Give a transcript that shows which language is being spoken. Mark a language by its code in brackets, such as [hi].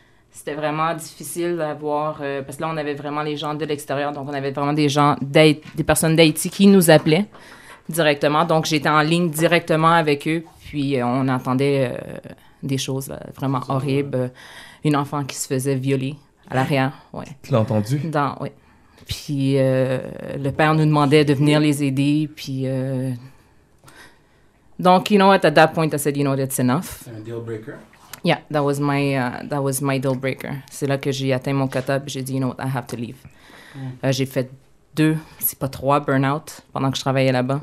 [fr] C'était vraiment difficile d'avoir, parce que là, on avait vraiment les gens de l'extérieur, donc on avait vraiment des personnes d'Haïti qui nous appelaient directement, donc j'étais en ligne directement avec eux. Puis on entendait des choses vraiment horribles. Une enfant qui se faisait violer à l'arrière. Ouais. Tu l'as entendu? Oui. Puis le père nous demandait de venir les aider. Puis. [en] Donc, you know what, at that point, I said, you know what, it's enough. [fr] C'est un deal breaker? [en] Yeah, that was my deal breaker. [fr] C'est là que j'ai atteint mon quota. Puis j'ai dit, [en] you know what, I have to leave. Mm. [fr] J'ai fait 2, si pas 3 burn-out pendant que je travaillais là-bas.